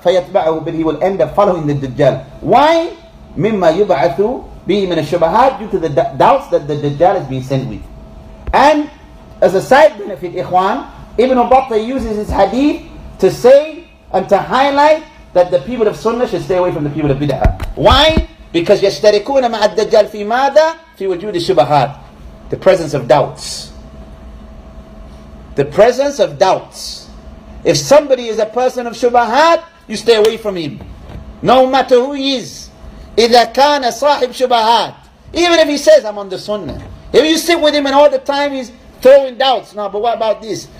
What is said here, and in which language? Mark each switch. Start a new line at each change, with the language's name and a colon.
Arabic: فَيَتْبَعُهُ,
English: but he will end up following the Dajjal. Why?
Arabic: مِمَّا يُبَعَثُ بِهِ مِنَ الشُّبَهَاتِ,
English: due to the doubts that the Dajjal has been sent with. And as a side benefit, Ikhwan, Ibn Battah uses his hadith to say and to highlight that the people of Sunnah should stay away from the people of Bid'ah. Why? Because
Arabic: يَشْتَرِكُونَ مَعَ الدَّجَّالِ فِي مَاذَا, فِي وَجُودِ الشُّبَهَاتِ,
English: the presence of doubts. The presence of doubts. If somebody is a person of shubahat, you stay away from him. No matter who he is.
Arabic: إِذَا كَانَ صَاحِبْ شُبَهَات.
English: Even if he says, I'm on the sunnah. If you sit with him and all the time he's throwing doubts. Now, but what about this?